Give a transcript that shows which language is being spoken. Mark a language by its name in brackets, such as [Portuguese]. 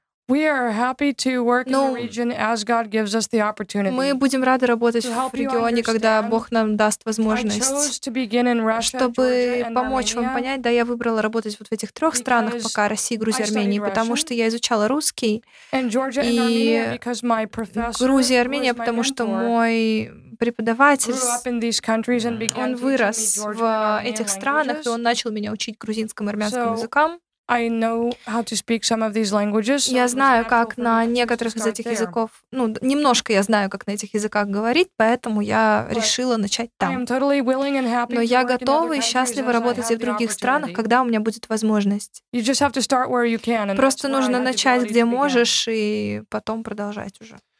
[English] We are happy to work in the region as God gives us the opportunity. [Russian] Мы будем рады работать в регионе, когда Бог нам даст возможность. Чтобы помочь вам понять, да, я выбрала работать вот в этих трех странах, пока Россия, Грузия, Армения, потому что я изучала русский. И Грузия, Армения, потому что мой преподаватель, он вырос в этих странах, и он начал меня учить грузинским и армянским языкам. [English] I know how to speak some of these languages. [Russian] Я знаю, как на некоторых из этих языков, ну, немножко я знаю, как на этих языках говорить, поэтому я решила начать там. Но я готова и счастлива работать и в других странах, когда у меня будет возможность. Просто нужно начать, где можешь, и потом продолжать уже.